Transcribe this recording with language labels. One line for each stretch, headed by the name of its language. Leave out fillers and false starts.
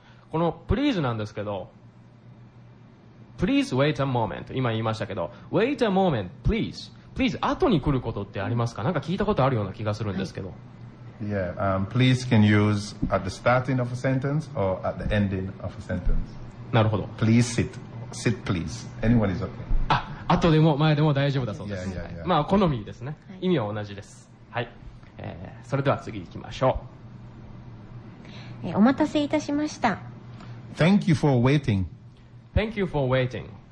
Japanese: この
English: please
Japanese: なんですけど、
English: please wait a moment.
Japanese: 今言いましたけど、
English: wait a moment, please. Please
Japanese: 後に来ることってありますか？なんか聞いたことあるような気がするんですけど。
English: Yeah, please can use at the starting of a sentence or at the ending of a sentence.
Japanese: なるほど。
English: Please sit. Sit please. Anyone is okay.
Japanese: 後でも前でも大丈夫だそうです。
English: yeah, yeah, yeah.
Japanese: まあ好みですね、はい、意味は同じです。はい、それでは次行きましょう。お待たせいたしました。
English: Thank you for waiting. Thank you for waiting.